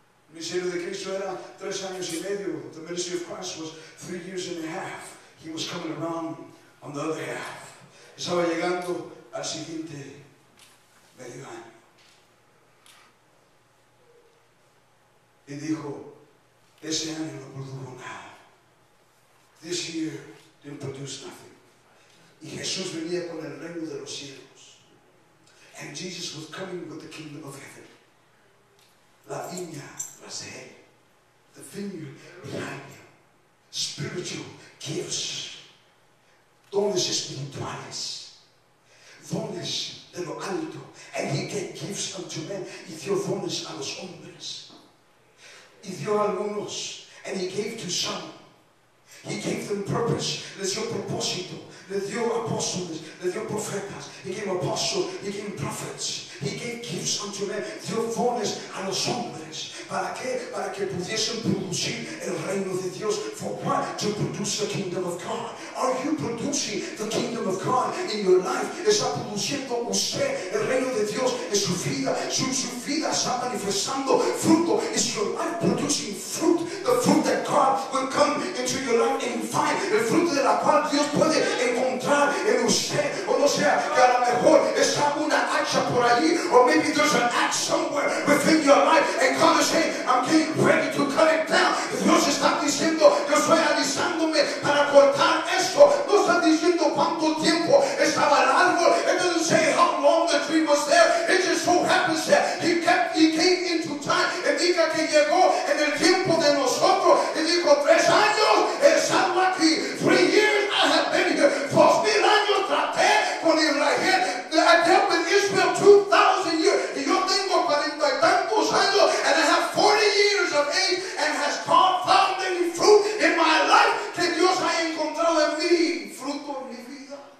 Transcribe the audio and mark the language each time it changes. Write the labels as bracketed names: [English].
[Spanish] El ministerio de Cristo era 3 años y medio. [English] The ministry of Christ was 3 years and a half. He was coming around on the other half. [Spanish] Estaba llegando al siguiente medio año. Y dijo, ese año no produjo nada. [English] This year didn't produce nothing. [Spanish] Y Jesús venía con el reino de los cielos. [English] And Jesus was coming with the kingdom of heaven. [Spanish] La viña [English] was [Spanish] de él. [English] The vineyard behind him. Spiritual gifts. [Spanish] Dones espirituales. Dones de lo alto. [English] And he gave gifts unto men. [Spanish] Y dio dones a los hombres. Y dio algunos. [English] And he gave to some. He gave them purpose. [Spanish] Les dio propósito. Le dio apóstoles. Le dio profetas. [English] He gave apostles. He gave prophets. y gave gifts unto men, [Spanish] dio dones a los hombres. ¿Para qué? Para que pudiesen producir el reino de Dios. [English] For what? To produce the kingdom of God. Are you producing the kingdom of God in your life? [Spanish] ¿Está produciendo usted el reino de Dios en su vida? ¿Su vida está manifestando fruto? [English] Is your life producing fruit? The fruit that God will come into your life and find. [Spanish] El fruto de la cual Dios puede encontrar en usted. O no sea que a lo mejor está una hacha por allí. [English] Or maybe there's an axe somewhere within your life. And God is saying, I'm getting ready to cut it down. [Spanish] Dios está diciendo, yo estoy alisándome para cortar esto. No está diciendo cuánto tiempo estaba el árbol. [English] It doesn't say how long the tree was there. It just so happens that he came into time. [Spanish] Y diga que llegó en el tiempo de nosotros. Y dijo, 3 años he estado aquí. [English] 3 years I have been here. [Spanish] 2,000 años traté con Israel. [English] I dealt with Israel 2,000 years. [Spanish] Y yo tengo 40 y tantos años. [English] And I have 40 years of age. And has God found any fruit in my life? [Spanish] Que Dios haya encontrado en mí fruto en mi vida.